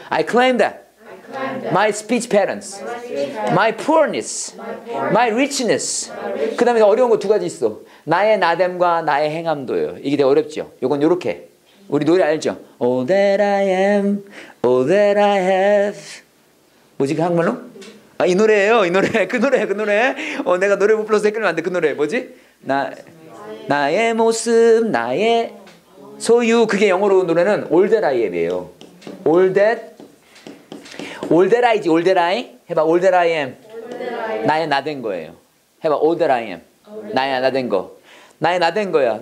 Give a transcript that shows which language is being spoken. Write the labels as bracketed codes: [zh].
[en] I claim that my speech patterns, my poorness, my richness. [ko] 그 다음에 어려운 거 두 가지 있어. 나의 나됨과 나의 행함도요. 이게 되게 어렵죠. 이건 요렇게. 우리 노래 알죠? [en] All that I am, all that I have. [ko] 뭐지 그 한국말로? 아, 이 노래예요. 이 노래. 그 노래. 내가 노래 못 불러서 헷갈리면 안 돼. 그 노래. 뭐지? 나의 모습, 나의 소유. 그게 영어로 노래는 [en] All that I am이에요. All that I지. All that I. 해봐. All that I am. [ko] 나의 나된 거예요. 해봐. All that I am. 나의 나된 거. 나의 나된 거야.